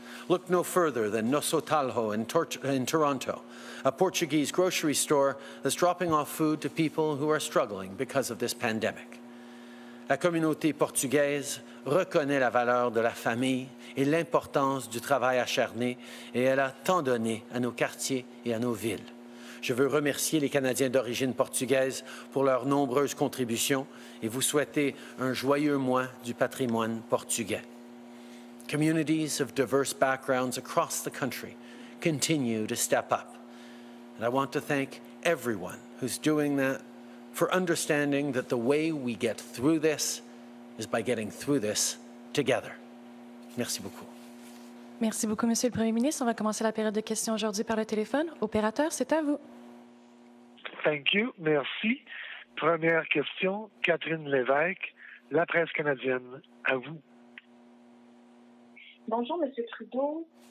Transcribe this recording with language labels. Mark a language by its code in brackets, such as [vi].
[en] Look no further than Nosso Talho in Toronto, a Portuguese grocery store that's dropping off food to people who are struggling because of this pandemic. [fr] La communauté portugaise reconnaît la valeur de la famille et l'importance du travail acharné et elle a tant donné à nos quartiers et à nos villes. Je veux remercier les Canadiens d'origine portugaise pour leurs nombreuses contributions et vous souhaiter un joyeux mois du patrimoine portugais. Communities of diverse backgrounds across the country continue to step up. And I want to thank everyone who's doing that for understanding that the way we get through this is by getting through this together. Merci beaucoup. Merci beaucoup, Monsieur le Premier ministre. On va commencer la période de questions aujourd'hui par le téléphone. Opérateur, c'est à vous. [en] Thank you. [fr] Merci. Première question, Catherine Lévesque, La Presse canadienne, à vous. Bonjour, Monsieur Trudeau.